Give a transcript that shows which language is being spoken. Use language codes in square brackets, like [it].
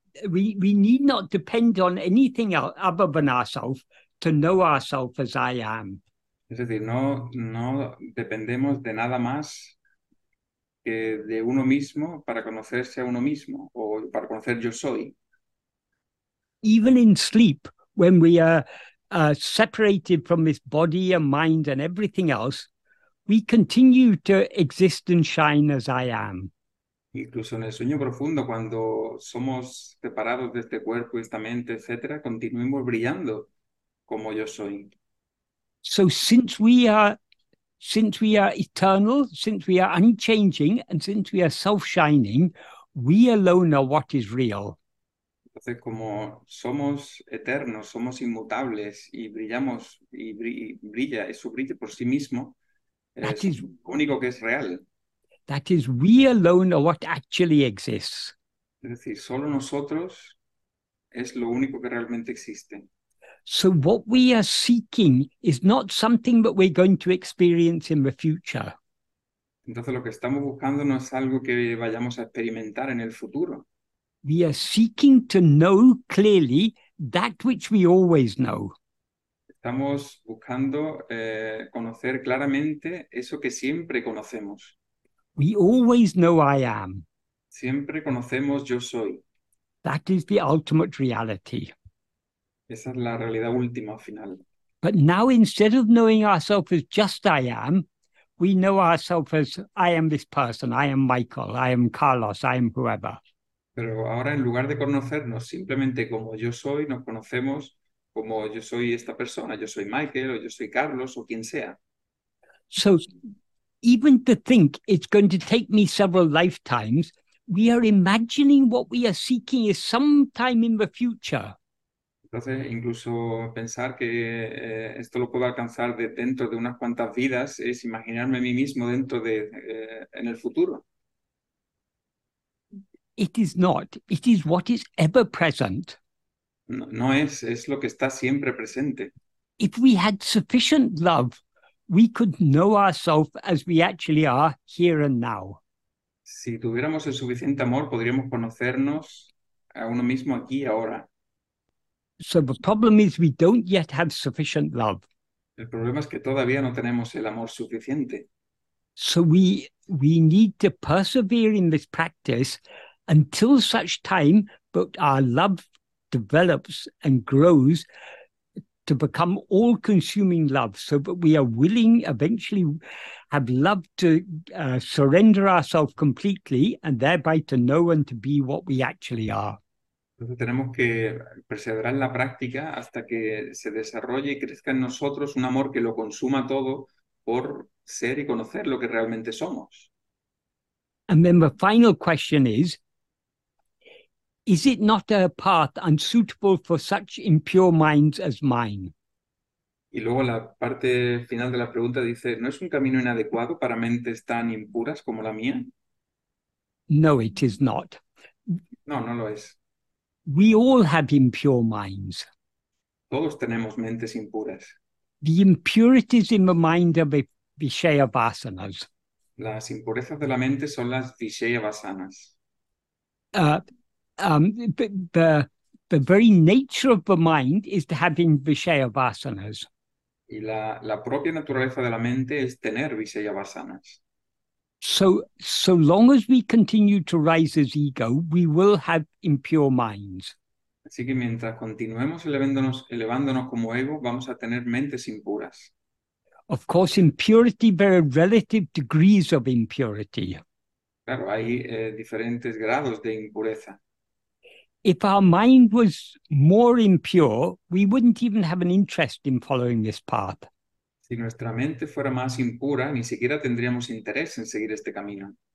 [en] We need not depend on anything other than ourselves to know ourselves as I am. [es] Es decir, no dependemos de nada más que de uno mismo para conocerse a uno mismo o para conocer yo soy. [en] Even in sleep, when we are separated from this body and mind and everything else, we continue to exist and shine as I am. [es] Incluso en el sueño profundo, cuando somos separados de este cuerpo y esta mente, etc., continuemos brillando como yo soy. [en] So since we are eternal, since we are unchanging, and since we are self-shining, we alone are what is real. [es] Entonces, como somos eternos, somos inmutables y brillamos y brilla, eso brilla por sí mismo, es lo único que es real. [en] That is, we alone are what actually exists. [es] Es decir, solo nosotros es lo único que realmente existe. [en] So what we are seeking is not something that we're going to experience in the future. [es] Entonces lo que estamos buscando no es algo que vayamos a experimentar en el futuro. [en] We are seeking to know clearly that which we always know. [es] Estamos buscando conocer claramente eso que siempre conocemos. [en] We always know I am. [es] Siempre conocemos yo soy. [en] That is the ultimate reality. [es] Esa es la realidad última al final. [en] But now, instead of knowing ourselves as just I am, we know ourselves as I am this person, I am Michael, I am Carlos, I am whoever. [es] Pero ahora, en lugar de conocernos simplemente como yo soy, nos conocemos como yo soy esta persona, yo soy Michael, o yo soy Carlos, o quien sea. [en] So, even to think it's going to take me several lifetimes, we are imagining what we are seeking is sometime in the future. [es] Entonces, incluso pensar que esto lo puedo alcanzar de dentro de unas cuantas vidas es imaginarme a mí mismo dentro de en el futuro. [en] It is not. It is what is ever present. [es] No, es lo que está siempre presente. [en] If we had sufficient love, we could know ourselves as we actually are here and now. [es] Si tuviéramos el suficiente amor, podríamos conocernos a uno mismo aquí y ahora. [en] So the problem is we don't yet have sufficient love. [es] El problema es que todavía no tenemos el amor suficiente. [en] So we need to persevere in this practice until such time that our love develops and grows to become all-consuming love, so that we are willing eventually have love to surrender ourselves completely and thereby to know and to be what we actually are. [es] Entonces tenemos que perseverar en la práctica hasta que se desarrolle y crezca en nosotros un amor que lo consuma todo por ser y conocer lo que realmente somos. [en] And then the final question is it not a path unsuitable for such impure minds as mine? [es] Y luego la parte final de la pregunta dice, ¿no es un camino inadecuado para mentes tan impuras como la mía? [en] No, it is not. [es] No lo es. [en] We all have impure minds. [es] Todos tenemos mentes impuras. [en] The impurities in the mind are the vishaya-vasanas. [es] Las impurezas de la mente son las vishaya-vasanas. [en] The very nature of the mind is to have vishaya-vasanas. [es] Y la propia naturaleza de la mente es tener vishaya-vasanas. [en] So long as we continue to rise as ego, we will have impure minds. [es] Así que mientras continuemos elevándonos como ego, vamos a tener mentes impuras. [en] Of course, impurity, there are relative degrees of impurity. [es] Claro, hay diferentes grados de impureza. [en] If our mind was more impure, we wouldn't even have an interest in following this path. [es] Si nuestra mente fuera más impura, ni siquiera tendríamos interés en seguir este camino.